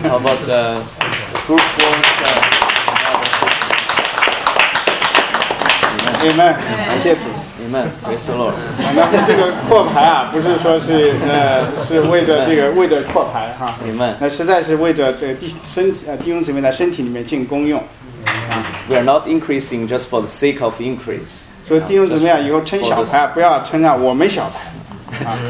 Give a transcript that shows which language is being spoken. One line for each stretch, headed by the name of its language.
English: How about the group one?
Chinese: Amen. 感谢主。
English: Amen. Praise the Lord.
Chinese: 那这个扩排啊，不是说是为着扩排哈。
English: Amen.
Chinese: 那实在是为着弟兄姊妹在身体里面进功用。
English: We are not increasing just for the sake of increase.
Chinese: 所以弟兄姊妹啊，以后称小排不要称啊我们小排。